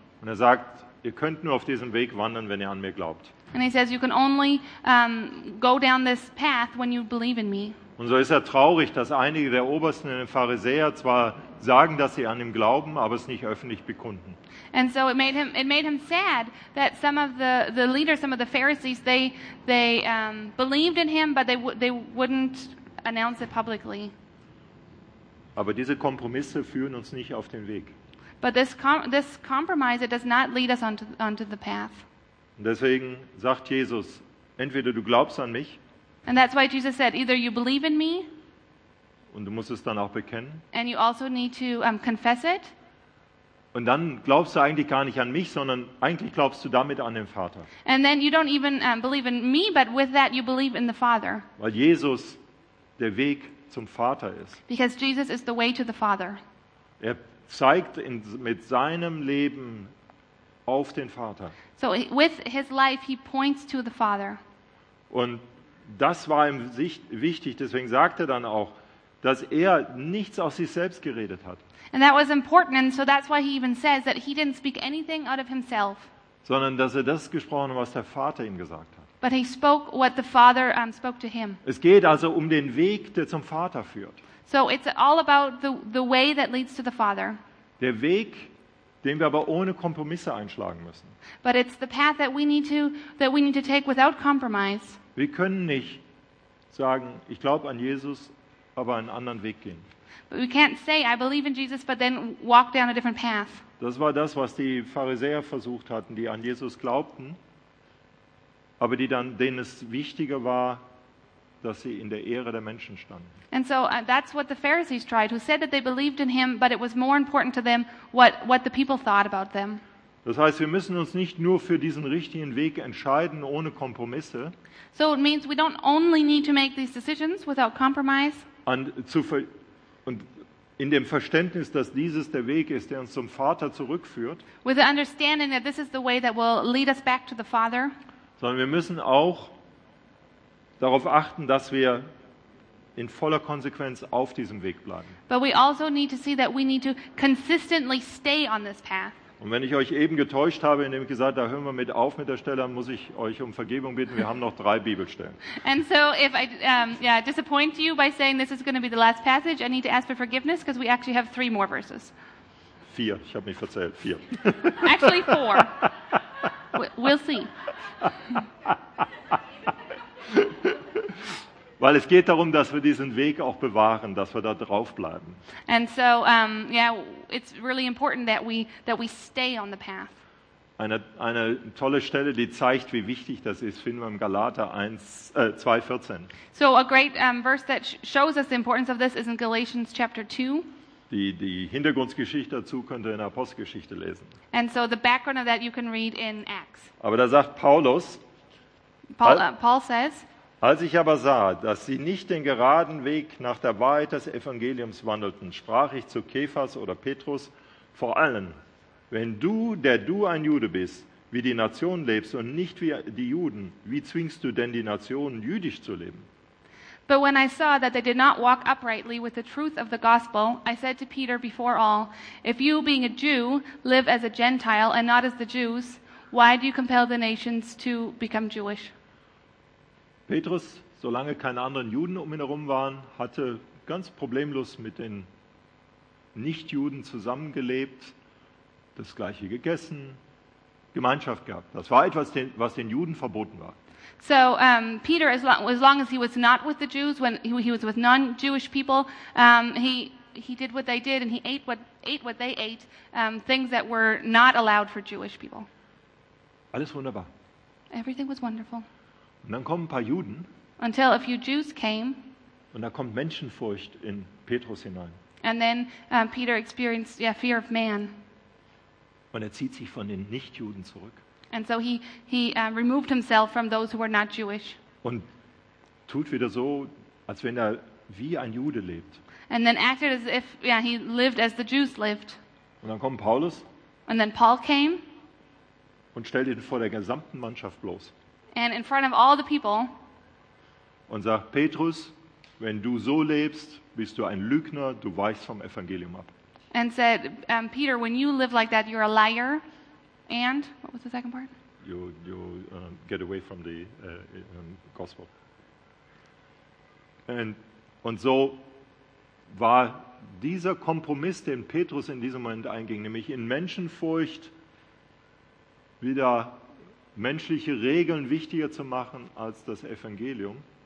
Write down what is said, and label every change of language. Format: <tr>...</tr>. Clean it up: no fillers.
<de>Und er sagt, ihr könnt nur auf diesem Weg wandern, wenn ihr an mir glaubt.</de> <en>And he says, you can only go down this path when you believe in me.</en> <de>Und so ist er traurig, dass einige der Obersten und Pharisäer zwar sagen, dass sie an ihm glauben, aber es nicht öffentlich bekunden.</de> <en>And so it made him sad that some of the leaders, some of the Pharisees, they believed in him, but they wouldn't announce it publicly.</en> <de>Aber diese Kompromisse führen uns nicht auf den Weg.</de> <en>But this compromise, it does not lead us onto the path.</en> <de>Und deswegen sagt Jesus, entweder du glaubst an mich.</de> <en>And that's why Jesus said, either you believe in me.</en> <de>Und du musst es dann auch bekennen.</de> <en>And you also need to confess it.</en> <de>Und dann glaubst du eigentlich gar nicht an mich, sondern eigentlich glaubst du damit an den Vater.</de> <en>And then you don't even believe in me, but with that you believe in the Father.</en> <de>Weil Jesus der Weg zum Vater ist.</de> <en>Because Jesus is the way to the Father.</en> <de>Er zeigt mit seinem Leben auf den Vater.</de> <en>So with his life he points to the Father.</en> <de>Und das war ihm wichtig, deswegen sagt er dann auch, dass er nichts aus sich selbst geredet hat.</de> <en>And that was important, and so that's why he even says that he didn't speak anything out of himself.</en> <de>Sondern dass er das gesprochen hat, was der Vater ihm gesagt hat.</de> <en>But he spoke what the Father spoke to him.</en> <de>Es geht also um den Weg, der zum Vater führt.</de> <en>So it's all about the way that leads to the Father.</en> <de>Der Weg, den wir aber ohne Kompromisse einschlagen müssen.</de> <en>But it's the path that we need to take without compromise.</en> <de>Wir können nicht sagen, ich glaube an Jesus, aber einen anderen Weg gehen.</de> <en>But we can't say I believe in Jesus but then walk down a different path.</en> <de>Das war das, was die Pharisäer versucht hatten, die an Jesus glaubten, aber die dann denen es wichtiger war, dass sie in der Ehre der Menschen standen.</de> <en>And so that's what the Pharisees tried, who said that they believed in him, but it was more important to them what the people thought about them.</en> <de>Das heißt, wir müssen uns nicht nur für diesen richtigen Weg entscheiden ohne Kompromisse.</de> <en>So it means we don't only need to make these decisions without compromise.</en> <de>Und in dem Verständnis, dass dieses der Weg ist, der uns zum Vater zurückführt.</de> <en>With the understanding that this is the way that will lead us back to the Father.</en> <de>Sondern wir müssen auch darauf achten, dass wir in voller Konsequenz auf diesem Weg bleiben.</de> <en>But we also need to see that we need to consistently stay on this path.</en> <de>Und wenn ich euch eben getäuscht habe, indem ich gesagt habe, da hören wir mit auf mit der Stelle, muss ich euch um Vergebung bitten. Wir haben noch 3 Bibelstellen.</de> <en>And so if I disappoint you by saying this is going to be the last passage, I need to ask for forgiveness because we actually have 3 more verses.</en> <de>4, ich habe mich verzählt. 4.</de> <en>Actually 4. We'll see.</en> <de>Weil es geht darum, dass wir diesen Weg auch bewahren, dass wir da drauf bleiben.</de> <en>And so it's really important that we stay on the path.</en> <de>Eine tolle Stelle, die zeigt, wie wichtig das ist, finden wir im Galater 2:14.</de> <en>So a great verse that shows us the importance of this is in Galatians chapter 2.</en> <de>Die Hintergrundgeschichte dazu könnt ihr in der Apostelgeschichte lesen.</de> <en>And so the background of that you can read in Acts.</en> <de>Aber da sagt Paulus,</de> <en>Paul says,</en> <de>als ich aber sah, dass sie nicht den geraden Weg nach der Wahrheit des Evangeliums wandelten, sprach ich zu Kephas oder Petrus, vor allem, wenn du, der du ein Jude bist, wie die Nation lebst und nicht wie die Juden, wie zwingst du denn die Nation, jüdisch zu leben?</de> <en>But when I saw that they did not walk uprightly with the truth of the gospel, I said to Peter before all, if you, being a Jew, live as a Gentile and not as the Jews, why do you compel the nations to become Jewish?</en> <de>Petrus, solange keine anderen Juden um ihn herum waren, hatte ganz problemlos mit den Nichtjuden zusammengelebt, das Gleiche gegessen, Gemeinschaft gehabt. Das war etwas, was den Juden verboten war.</de> <en>So Peter, as long as he was not with the Jews, when he was with non-Jewish people, he did what they did and he ate what they ate, things that were not allowed for Jewish people.</en> <de>Alles wunderbar.</de> <en>Everything was wonderful.</en> <de>Und dann kommen ein paar Juden.</de> <en>Until a few Jews came.</en> <de>Und da kommt Menschenfurcht in Petrus hinein.</de> <en>And then Peter experienced fear of man.</en> <de>Und er zieht sich von den Nichtjuden zurück.</de> <en>And so he removed himself from those who were not Jewish.</en> <de>Und tut wieder so, als wenn er wie ein Jude lebt.</de> <en>And then acted as if he lived as the Jews lived.</en> <de>Und dann kommt Paulus.</de> <en>And then Paul came.</en> <de>Und stellt ihn vor der gesamten Mannschaft bloß.</de> <en>And in front of all the people.</en> <de>Und sagt, Petrus, wenn du so lebst, bist du ein Lügner, du weichst vom Evangelium ab.</de> <en>And said, Peter, when you live like that, you're a liar. And what was the second part? You get away from the gospel.</en> <de>Und so war dieser Kompromiss, den Petrus in diesem Moment einging, nämlich in Menschenfurcht wieder menschliche Regeln wichtiger zu machen als das Evangelium.</de>